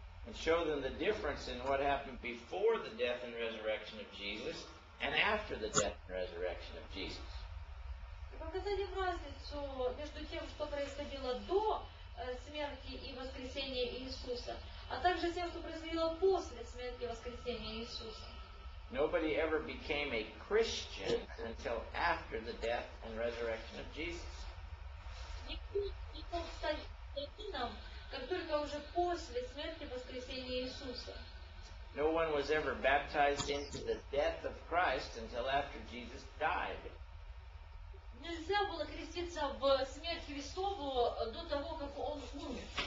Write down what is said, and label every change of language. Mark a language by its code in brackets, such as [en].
[en] And show them the difference in what happened before the death and resurrection of Jesus and after the death and resurrection of Jesus. [ru] Показать им разницу между тем, что происходило до смерти и воскресения Иисуса, а также тем, что произошло после смерти и воскресения Иисуса. [en] Nobody ever became a Christian until after the death and resurrection of Jesus. [ru] Никто не стал христианином, как только уже после смерти и воскресения Иисуса. [en] No one was ever baptized into the death of Christ until after Jesus died. [ru] Нельзя было креститься в смерть Христову до того, как Он умер.